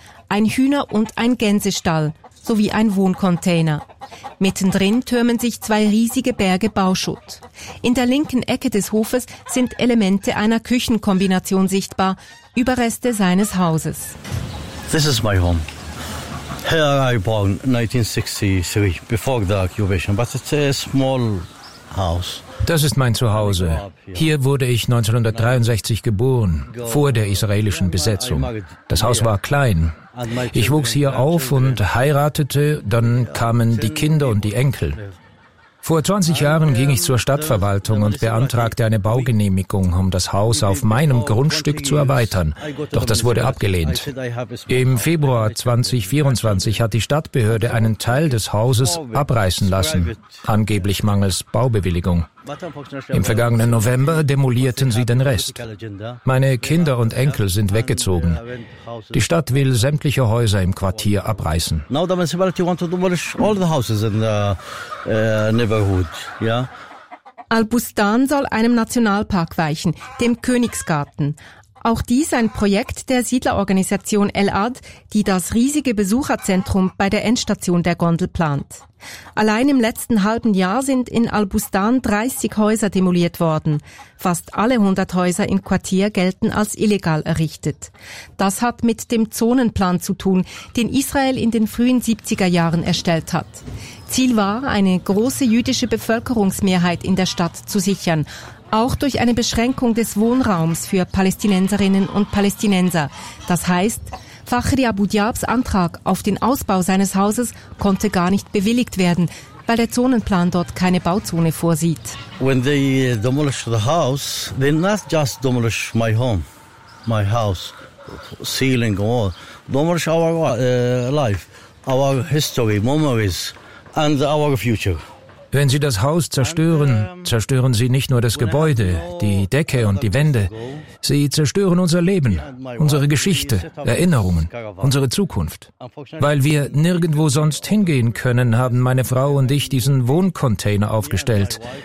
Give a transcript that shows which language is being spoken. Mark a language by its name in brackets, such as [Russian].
[German] Ein Hühner- und ein Gänsestall sowie ein Wohncontainer. Mittendrin türmen sich zwei riesige Berge Bauschutt. In der linken Ecke des Hofes sind Elemente einer Küchenkombination sichtbar, Überreste seines Hauses. [English] This is my home. Here I was born 1963, before the occupation, but it's a small house. [German] Das ist mein Zuhause. Hier wurde ich 1963 geboren, vor der israelischen Besetzung. Das Haus war klein. Ich wuchs hier auf und heiratete, dann kamen die Kinder und die Enkel. Vor 20 Jahren ging ich zur Stadtverwaltung und beantragte eine Baugenehmigung, um das Haus auf meinem Grundstück zu erweitern. Doch das wurde abgelehnt. Im Februar 2024 hat die Stadtbehörde einen Teil des Hauses abreißen lassen, angeblich mangels Baubewilligung. Im vergangenen November demolierten sie den Rest. Meine Kinder und Enkel sind weggezogen. Die Stadt will sämtliche Häuser im Quartier abreißen. [English] Now the municipality wants to demolish all the houses in the neighborhood, yeah? [German] Al-Bustan soll einem Nationalpark weichen, dem Königsgarten. Auch dies ein Projekt der Siedlerorganisation El Ad, die das riesige Besucherzentrum bei der Endstation der Gondel plant. Allein im letzten halben Jahr sind in Al-Bustan 30 Häuser demoliert worden. Fast alle 100 Häuser im Quartier gelten als illegal errichtet. Das hat mit dem Zonenplan zu tun, den Israel in den frühen 70er Jahren erstellt hat. Ziel war, eine große jüdische Bevölkerungsmehrheit in der Stadt zu sichern. Auch durch eine Beschränkung des Wohnraums für Palästinenserinnen und Palästinenser. Das heißt, Fakhri Abu Diabs Antrag auf den Ausbau seines Hauses konnte gar nicht bewilligt werden, weil der Zonenplan dort keine Bauzone vorsieht. [English] When they demolish the house, they not just demolish my home, my house, ceiling and all. Demolish our life, our history, memories and our future. [German] Wenn Sie das Haus zerstören, zerstören Sie nicht nur das Gebäude, die Decke und die Wände. Sie zerstören unser Leben, unsere Geschichte, Erinnerungen, unsere Zukunft. Weil wir nirgendwo sonst hingehen können, haben meine Frau und ich diesen Wohncontainer aufgestellt.